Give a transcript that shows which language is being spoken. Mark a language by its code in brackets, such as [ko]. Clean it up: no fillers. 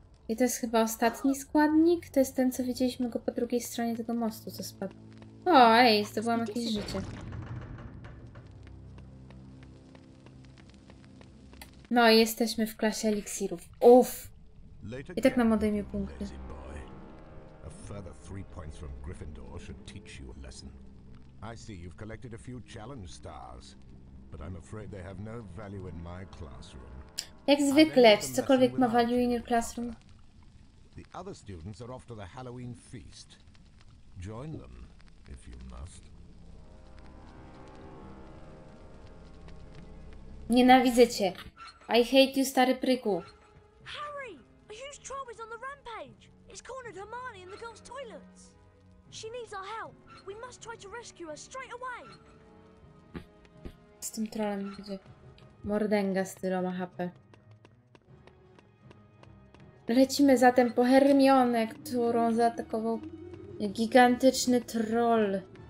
[pl] I to jest chyba ostatni składnik. To jest ten, co widzieliśmy go po drugiej stronie tego mostu, co spadł. O, ej, zdobyłam jakieś życie. No i jesteśmy w klasie eliksirów. Uff! I tak nam odejmie punkty. [en] Further 3 points from Gryffindor should teach you a lesson. I see you've collected a few challenge stars, but I'm afraid they have no value in my classroom. [pl] Jak zwykle, czy cokolwiek ma [en] value in your classroom? The other students are off to the Halloween feast. Join them, if you must. [pl] Nienawidzę cię. [en] I hate you, [pl] stary pryku. [en] Harry, a huge troll is on the rampage. It's cornered Hermione in the girls' toilets. She needs our help. We must try to rescue her straight away. [pl] Z tym trolem będzie mordęga stylowa HP. Lecimy zatem po Hermionę, którą zaatakował gigantyczny troll.